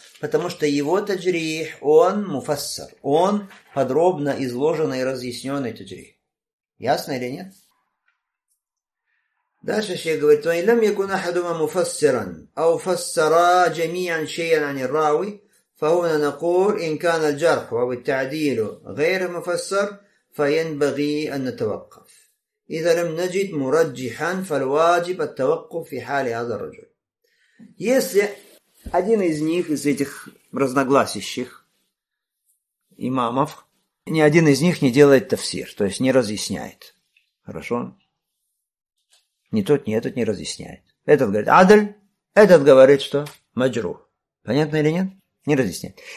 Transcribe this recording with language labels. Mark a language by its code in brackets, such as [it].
[ru] Потому что его таджрих, он муфассар, он подробно изложенный и разъясненный таджрих. Ясно или нет? Дальше шейх говорит, [ar] «Вайлам якуна хадума муфассаран, ау фассара джамиян шейян ани рауи, фауна накур инкана джарху, ау таадилу гайра муфассар». فينبغي أن نتوقف إذا لم نجد مرجحا فالواجب التوقف في حال هذا الرجل. [ru] Если один из них, из этих разногласящих имамов, ни один из них не делает тафсир, то есть не разъясняет. Хорошо? Ни тот, ни этот не разъясняет. Этот говорит адль, этот говорит что? Маджрух. Понятно или нет? Не разъясняет.